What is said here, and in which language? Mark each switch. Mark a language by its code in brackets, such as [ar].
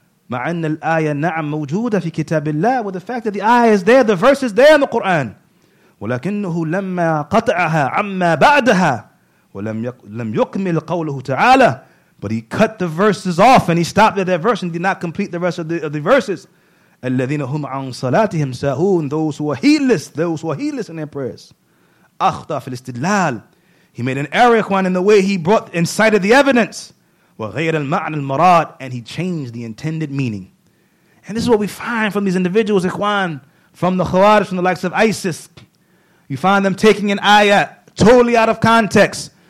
[ar] مَعَنَّ الْآيَةَ نَعَمْ مَوْجُودَ فِي كِتَابِ اللَّهِ [en] With the fact that the ayah is there, the verse is there in the Qur'an. [ar] وَلَكِنُّهُ لَمَّا قَطَعَهَا عَمَّا بَعْدَهَا وَلَمْ يُكْمِلْ قَوْلُهُ تَعَالَى [en] But he cut the verses off and he stopped at that verse and did not complete the rest of the verses. [ar] الَّذِينَ هُمْ عَنْ صَلَاتِهِمْ سَاهُونَ [en] Those who are heedless in their prayers. [ar] أَخْطَى فِي الْاِسْتِدْلَالِ [en] He made an error one in the way he brought and cited the evidence. [ar] وَغَيْرَ الْمَعْنَ الْمَرَادِ [en] And he changed the intended meaning. And this is what we find from these individuals, Ikhwan, from the Khawarij, from the likes of ISIS. You find them taking an ayah totally out of context.